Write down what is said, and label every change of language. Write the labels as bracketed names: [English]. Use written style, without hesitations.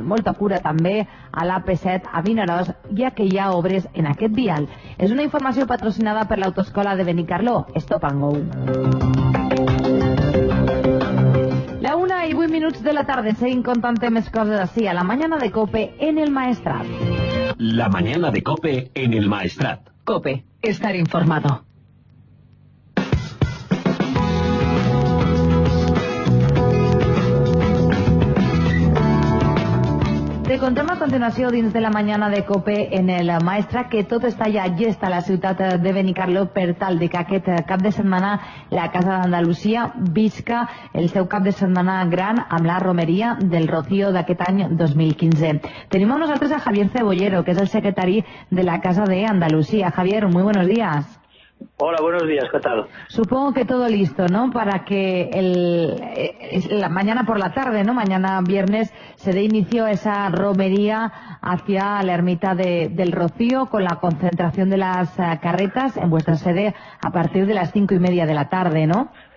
[Catalan] Molta cura també a l'AP7 a Vinaròs, ja que hi ha obres en aquest vial. És una informació patrocinada per l'Autoescola de Benicarló, Stop and Go. La 1:08 de la tarda, seguim contant més coses així a la mañana de COPE en el Maestrat. [Spanish] La mañana de COPE en el Maestrat. COPE, estar informado. [Catalan] Te contem a continuació dins de la mañana de COPE en el Maestrat que tot està ja llest a la ciutat de Benicarló per tal de que aquest cap de setmana la Casa d'Andalusia visca el seu cap de setmana gran amb la romeria del Rocío d'aquest any 2015. Tenim amb nosaltres a Javier Cebollero, que és el secretari de la Casa d'Andalusia. [Spanish] Javier, muy buenos días. Hola, buenos días, ¿qué tal? Supongo que todo listo, ¿no? Para que la mañana por la tarde, ¿no? Mañana viernes se dé inicio esa romería hacia la ermita del Rocío con la concentración de las carretas en vuestra sede a partir de las 5:30 de la tarde, ¿no?